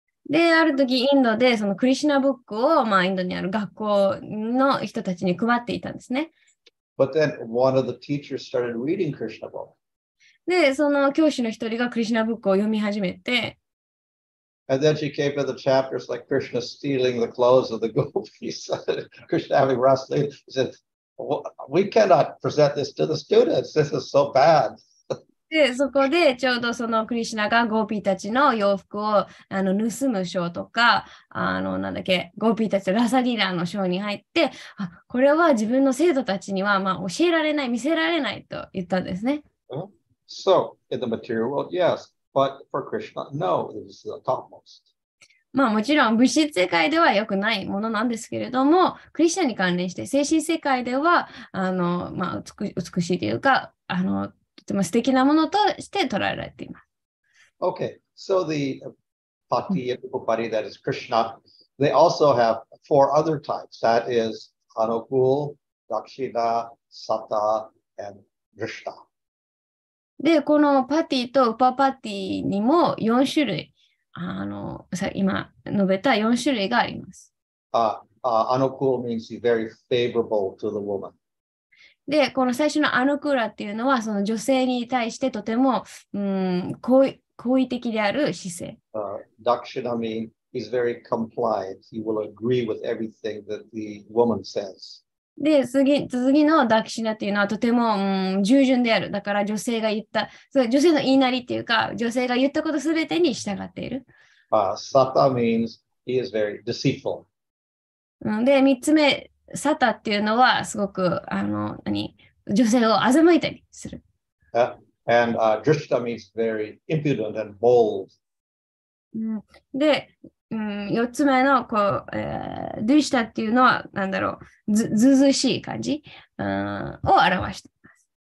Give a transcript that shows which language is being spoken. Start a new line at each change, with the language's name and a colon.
Japanese: で、ある時インドでそのクリシュナブックをまあインドにある学校の人たちに配っていたんですね。
English: But then one of the teachers started reading Krishna book.
Japanese: で、その教師の一人がクリシュナブックを読み始めて。
English: And then she came to the chapters like Krishna stealing the clothes of the gopis, Krishna having rustly. She said, we cannot present this to the students. This is so bad.
Japanese: で、そこでちょうどそのクリシュナがゴーピーたちの洋服を盗むショーとか、なんだっけ、ゴーピーたちのラサリーラのショーに入って、あ、これは自分の生徒たちにはまあ教えられない、見せられないと言ったんですね。
English: So, in the material world, yes, but for Krishna, no, this is the topmost.
Japanese: まあもちろん物質世界では良くないものなんですけれども、クリシュナに関連して精神世界では美しいというか、とても素敵なものとして捉えられています。
English: Okay, so the pati and upapati, that is Krishna, they also have four other types. That is anukul, dakshina, sata, and drishta.
Japanese: で、このパティとウパパティにも4種類、今述べた4種類があります。
English: anukul means very favorable to the woman.
Japanese: で、この最初のアヌクーラっていうのは、その女性に対してとても、好意的である姿勢。
English: Dakshina means he's very compliant. He will agree with everything that the woman says.
Japanese: で、次のダクシナっていうのはとても、従順である。だから女性が言った、女性の言いなりっていうか、女性が言ったことすべてに従っている。
English: Sata means he is very deceitful.
Japanese: で、三つ目。サタっていうのはすごく女性を欺いたりする。
English: Drishta means very impudent and bold.
Japanese: で、四つ目のこう、Drishta っていうのはなんだろう、ずずしい感じ、を表しています。